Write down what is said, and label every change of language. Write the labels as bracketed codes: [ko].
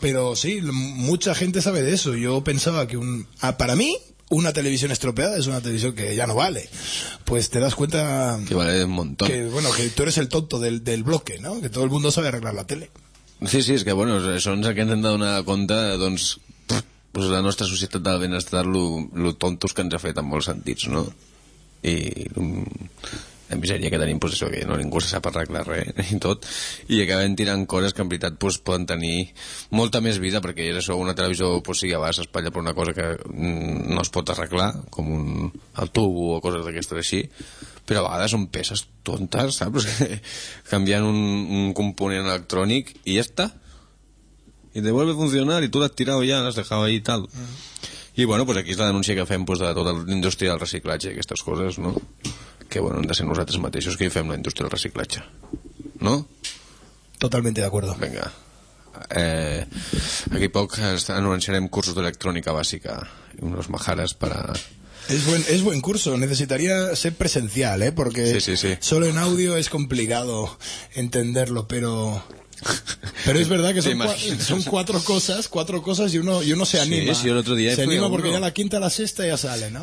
[es] Pero sí, mucha gente sabe de eso. Yo pensaba que para mí una televisión estropeada es una televisión que ya no vale. Pues te das cuenta... Que vale un montón. Que, bueno, que tú eres el tonto del bloque, ¿no? Que todo el mundo sabe arreglar la tele. Sí, sí, es que, bueno, son los que han dado una cuenta, doncs, pues [ca] la nostra societat de benestar, lo tontos que ens ha fet en molts sentits, [es] ¿no? [ca] I la misèria que tenim, pues això, que no, ningú se sap arreglar res, ni tot, i acabem tirant coses que, en veritat, pues, poden tenir molta més vida, perquè és això, una televisió, pues, sí, a vegades s'espatlla per una cosa que no es pot arreglar, com el tubo o coses d'aquestes així, però a vegades són peces tontes, saps? Canviant un component electrònic, i ja està. [es] I te vuelve a funcionar, [ca] i tu l'has tirat ja, l'has dejat ahí i tal. I, bueno, pues aquí és la denúncia que fem, pues, de tota l'indústria del reciclatge i aquestes coses, no? Que bueno, hem de ser nosaltres mateixos que hi fem la indústria del reciclatge, no? [es] Totalmente de acuerdo. Venga. [ca] Aquí a poc anunciarem cursos d'electrònica bàsica, [es] unos majares para... Es buen curso, necesitaría ser presencial, porque sí. Solo en audio es complicado entenderlo, pero es verdad que son cuatro cosas y uno se anima. Sí, yo el otro día se fui anima porque uno. Ya la quinta, la sexta ya sale, ¿no?